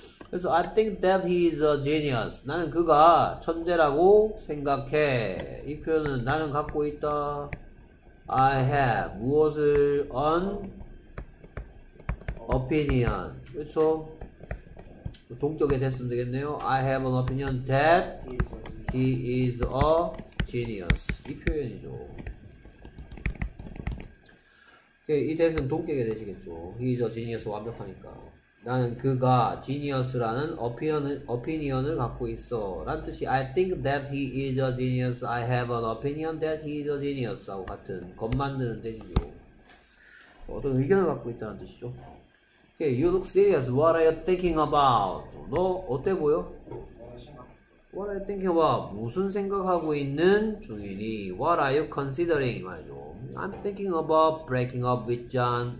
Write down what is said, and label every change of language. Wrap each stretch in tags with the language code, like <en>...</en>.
<ko>그래서</ko> <en>I think that he is a genius.</en> <ko>나는 그가 천재라고 생각해. 이 표현은 나는 갖고 있다.</ko> <en>I have</en> <ko>무엇을</ko> <en>an opinion.</en> <ko>그렇죠? 동격에 됐으면 되겠네요.</ko> <en>I have an opinion that he is a genius.</en> <ko>이 표현이죠. 이 대신 동격이 되시겠죠.</ko> <en>He is a genius</en> <ko>완벽하니까. 나는 그가 genius라는 opinion을 갖고 있어. 라는 뜻이</ko> <en>I think that he is a genius. I have an opinion that he is a genius.</en> <ko>하고 같은 것 만드는 대신이죠. 어떤 의견을 갖고 있다는 뜻이죠.</ko> <en>Okay, you look serious. What are you thinking about?</en> <ko>너 어때 보여?</ko> <en>What are you thinking about?</en> <ko>무슨 생각하고 있는 중이니?</ko> <en>What are you considering?</en> <ko>말이죠.</ko> <en>I'm thinking about breaking up with John.</en>